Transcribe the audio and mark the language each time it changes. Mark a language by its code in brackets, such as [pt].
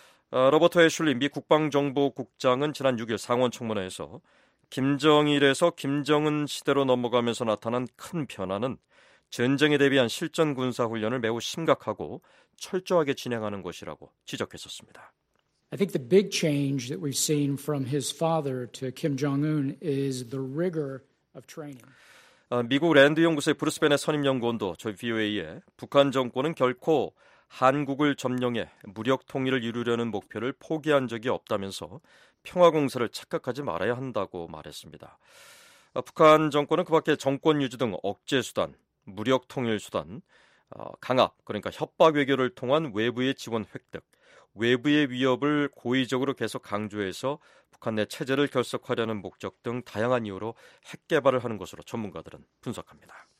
[ko] 로버트 애슐리 미 국방정보국장은 지난 6일 상원청문회에서 김정일에서 김정은 시대로 넘어가면서 나타난 큰 변화는 전쟁에 대비한 실전군사훈련을 매우 심각하고 철저하게 진행하는 것이라고 지적했었습니다. [en] I think the big change that we've seen from his father to Kim Jong-un is the rigor of training. [ko] 미국 랜드 연구소의 브루스 벤의 선임 연구원도 저희 VOA에 북한 정권은 결코 한국을 점령해 무력 통일을 이루려는 목표를 포기한 적이 없다면서 평화 공사를 착각하지 말아야 한다고 말했습니다. 북한 정권은 그 밖에 정권 유지 등 억제 수단, 무력 통일 수단, 강압, 그러니까 협박 외교를 통한 외부의 지원 획득, 외부의 위협을 고의적으로 계속 강조해서 북한 내 체제를 결속하려는 목적 등 다양한 이유로 핵 개발을 하는 것으로 전문가들은 분석합니다.